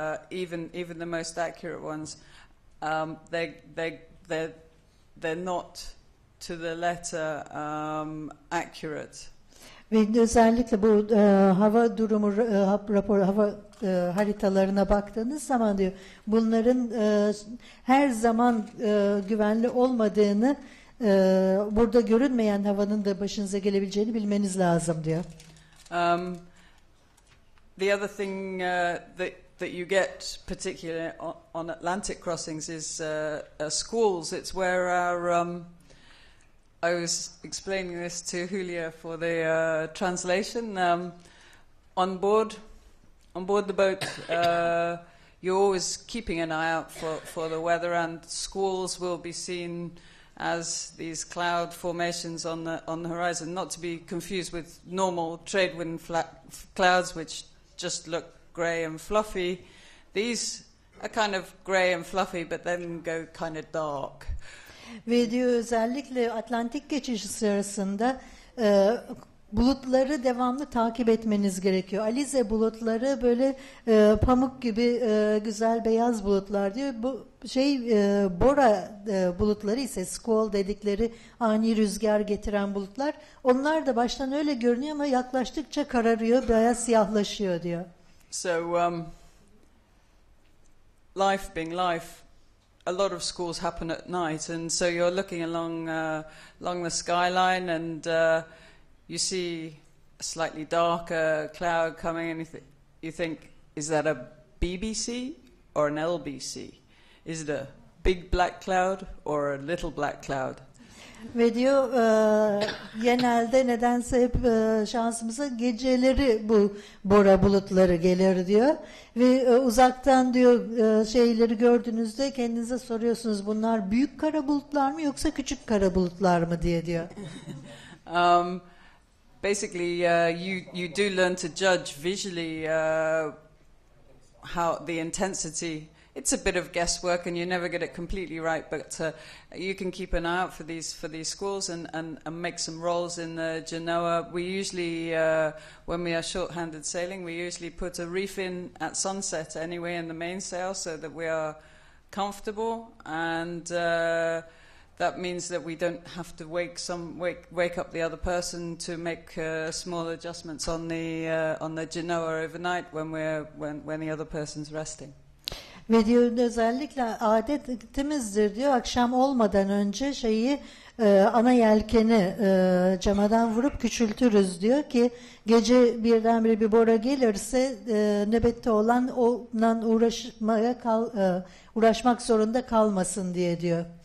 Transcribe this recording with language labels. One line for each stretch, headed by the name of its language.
English: Even the most accurate ones, they're not to the letter accurate.
Turkish: Ve özellikle bu hava durumu rapor hava haritalarına baktığınız zaman diyor bunların her zaman güvenli olmadığını burada görünmeyen havanın da başınıza gelebileceğini bilmeniz lazım diyor.
English: The other thing that you get, particularly on Atlantic crossings, is squalls. It's where our I was explaining this to Julia for the translation on board the boat. You're always keeping an eye out for the weather, and squalls will be seen as these cloud formations on the horizon. Not to be confused with normal trade wind clouds, which just look grey and fluffy. These are kind of grey and fluffy, but then go kind of dark.
Turkish: Ve diyor özellikle Atlantik geçişi sırasında bulutları devamlı takip etmeniz gerekiyor. Alize bulutları böyle pamuk gibi güzel beyaz bulutlar diyor. Bu şey bora bulutları ise squall dedikleri ani rüzgar getiren bulutlar. Onlar da baştan öyle görünüyor ama yaklaştıkça kararıyor, beyaz siyahlaşıyor diyor.
English: So life being life, a lot of squalls happen at night and so you're looking along the skyline and you see a slightly darker cloud coming and you think, is that a BBC or an LBC? Is it a big black cloud or a little black cloud?
Turkish: Ve diyor genelde nedense hep şansımıza geceleri bu bora bulutları gelir diyor. Ve uzaktan diyor şeyleri gördüğünüzde kendinize soruyorsunuz bunlar büyük kara bulutlar mı yoksa küçük kara bulutlar mı diye diyor.
English: Basically, you do learn to judge visually how the intensity. It's a bit of guesswork, and you never get it completely right. But you can keep an eye out for these squalls and make some rolls in the Genoa. We usually, when we are short-handed sailing, we usually put a reef in at sunset anyway in the mainsail so that we are comfortable and. That means that we don't have to wake up the other person to make small adjustments on the Genoa overnight when the other person's resting.
Turkish: Ve diyor özellikle adetimizdir diyor akşam olmadan önce şeyi ana yelkeni camadan vurup küçültürüz diyor ki gece birdenbire bir bora gelirse nöbette olan onunla uğraşmak zorunda kalmasın diye diyor.